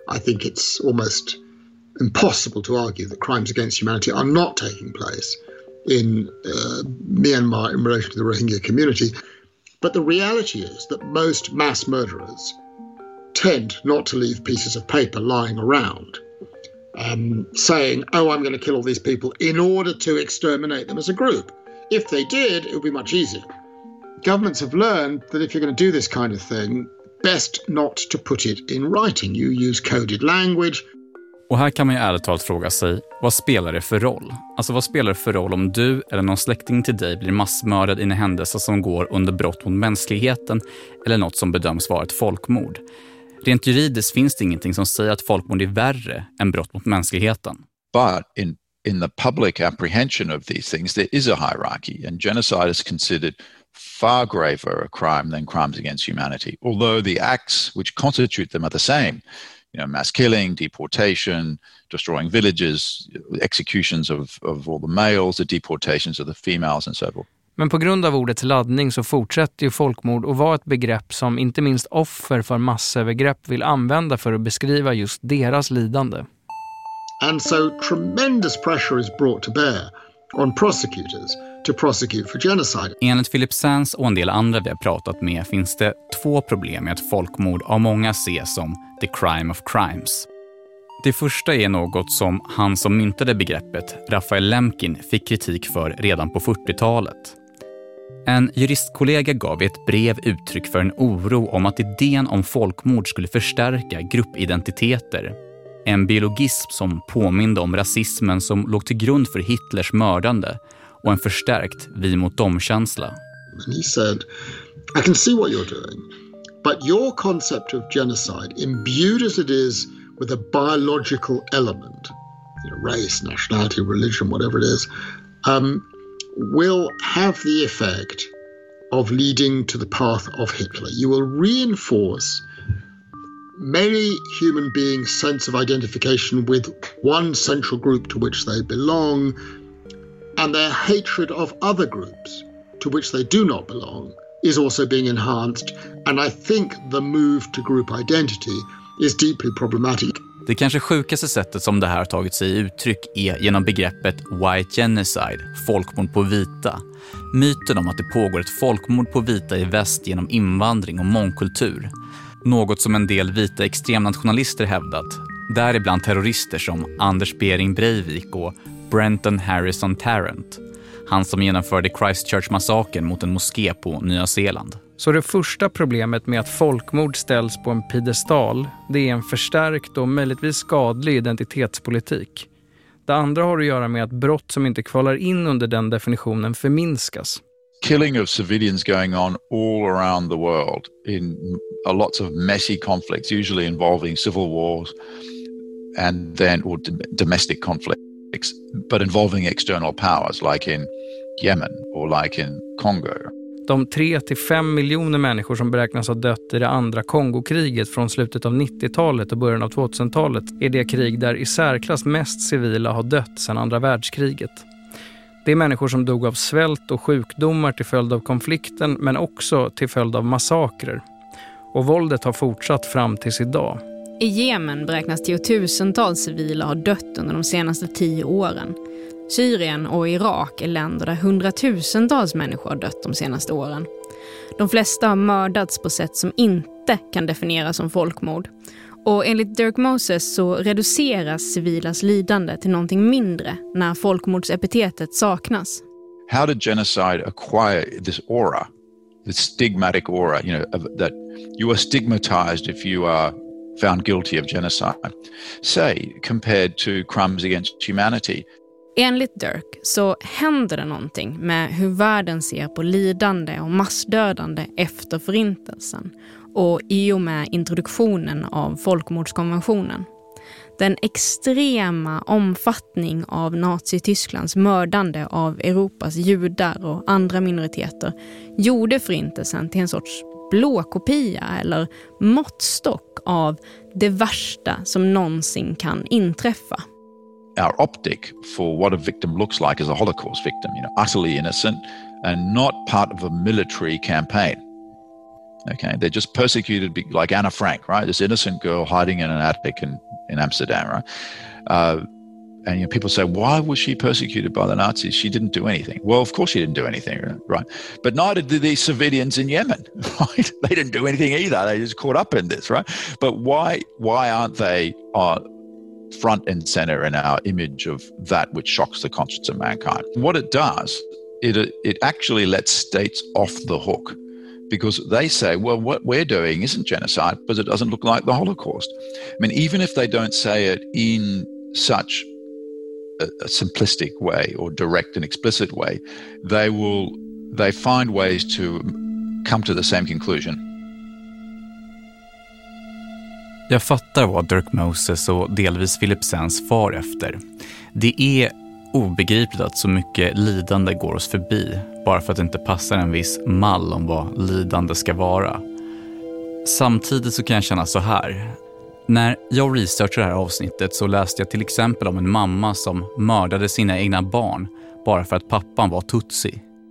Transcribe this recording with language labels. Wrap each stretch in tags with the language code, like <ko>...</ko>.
<en>I think it's almost impossible to argue that crimes against humanity are not taking place in Myanmar in relation to the Rohingya community. But the reality is that most mass murderers tend not to leave pieces of paper lying around saying, oh, I'm going to kill all these people in order to exterminate them as a group. If they did, it would be much easier. Governments have learned that if you're going to do this kind of thing, best not to put it in writing. You use coded language.</en> <sv>Och här kan man ju ärligt talat fråga sig, vad spelar det för roll? Alltså vad spelar det för roll om du eller någon släkting till dig blir massmördad i en händelse som går under brott mot mänskligheten eller något som bedöms vara ett folkmord? Rent juridiskt finns det ingenting som säger att folkmord är värre än brott mot mänskligheten.</sv> <en>But in the public apprehension of these things there is a hierarchy, and genocide is considered far graver a crime than crimes against humanity, although the acts which constitute them are the same. You know, mass killing, deportation, destroying villages, executions of all the males, the deportations of the females and so forth.</en> <sv>Men på grund av ordets laddning så fortsätter ju folkmord att vara ett begrepp som inte minst offer för massövergrepp vill använda för att beskriva just deras lidande.</sv> <en>And so tremendous pressure is brought to bear on prosecutors to prosecute for genocide.</en> <sv>Enligt Philip Sands och en del andra vi har pratat med finns det två problem med att folkmord av många ses som</sv> <en>the crime of crimes.</en> <sv>Det första är något som han som myntade begreppet, Rafael Lemkin, fick kritik för redan på 40-talet. En juristkollega gav i ett brev uttryck för en oro om att idén om folkmord skulle förstärka gruppidentiteter. En biologism som påminde om rasismen som låg till grund för Hitlers mördande och en förstärkt vi-mot-dem-känsla.</sv> <en>He said, I can see what you're doing, but your concept of genocide, imbued as it is with a biological element, you know, race, nationality, religion, whatever it is, will have the effect of leading to the path of Hitler. You will reinforce many human beings' sense of identification with one central group to which they belong, and their hatred of other groups to which they do not belong is also being enhanced. And I think the move to group identity is deeply problematic.</en> <sv>Det kanske sjukaste sättet som det här har tagit sig i uttryck är genom begreppet white genocide, folkmord på vita. Myten om att det pågår ett folkmord på vita i väst genom invandring och mångkultur. Något som en del vita extremnationalister hävdat, däribland terrorister som Anders Behring Breivik och Brenton Harrison Tarrant. Han som genomförde Christchurch-massaken mot en moské på Nya Zeeland. Så det första problemet med att folkmord ställs på en piedestal, det är en förstärkt och möjligtvis skadlig identitetspolitik. Det andra har att göra med att brott som inte kvalar in under den definitionen förminskas.</sv> <en>Killing of civilians going on all around the world in a lots of messy conflicts, usually involving civil wars and then or domestic conflicts, but involving external powers like in Yemen or like in Congo.</en> <sv>De 3-5 miljoner människor som beräknas ha dött i det andra Kongokriget från slutet av 90-talet och början av 2000-talet är det krig där i särklass mest civila har dött sedan andra världskriget. Det är människor som dog av svält och sjukdomar till följd av konflikten, men också till följd av massakrer. Och våldet har fortsatt fram tills idag. I Jemen beräknas tiotusentals civila ha dött under de senaste 10 åren. Syrien och Irak är länder där hundratusentals människor har dött de senaste åren. De flesta har mördats på sätt som inte kan definieras som folkmord. Och enligt Dirk Moses så reduceras civilas lidande till någonting mindre när folkmordsepitetet saknas.</sv> <en>How did genocide acquire this aura, this stigmatic aura, you know, that you are stigmatized if you are found guilty of genocide, say, compared to crimes against humanity?</en> <sv>Enligt Dirk så händer det någonting med hur världen ser på lidande och massdödande efter förintelsen och i och med introduktionen av folkmordskonventionen. den extrema omfattning av Nazitysklands mördande av Europas judar och andra minoriteter gjorde förintelsen till en sorts blåkopia eller måttstock av det värsta som någonsin kan inträffa.</sv> <en>Our optic for what a victim looks like is a Holocaust victim, you know, utterly innocent and not part of a military campaign. Okay, they're just persecuted like Anna Frank, right? This innocent girl hiding in an attic in Amsterdam, right? And you know, people say, why was she persecuted by the Nazis? She didn't do anything. Well, of course she didn't do anything, right? But neither did these civilians in Yemen, right? They didn't do anything either. They just caught up in this, right? But why aren't they front and center in our image of that which shocks the conscience of mankind? What it does, it actually lets states off the hook. Because they say, well, what we're doing isn't genocide because it doesn't look like the Holocaust. I mean, even if they don't say it in such a simplistic way or direct and explicit way, they find ways to come to the same conclusion.</en> <sv>Jag fattar vad Dirk Moses och delvis Philip Sands far efter. Det är obegripligt att så mycket lidande går oss förbi bara för att det inte passar en viss mall om vad lidande ska vara. Samtidigt så kan jag känna så här. När jag researchade det här avsnittet så läste jag till exempel om en mamma som mördade sina egna barn bara för att pappan var tutsi.</sv>